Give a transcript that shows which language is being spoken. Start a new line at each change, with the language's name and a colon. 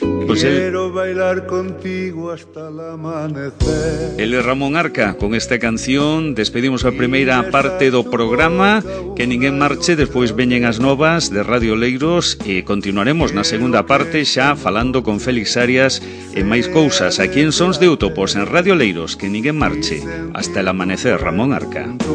Spanish: Pues él, quiero bailar contigo hasta el amanecer. Él es Ramón Arca.
Galician: Con esta canción despedimos a primeira parte do programa. Que ninguén marche, despois veñen as novas de Radio Leiros e continuaremos na segunda parte xa falando con Félix Arias e máis cousas aquí en Sons de Utopos en Radio Leiros. Que ninguén marche hasta el amanecer, Ramón Arca.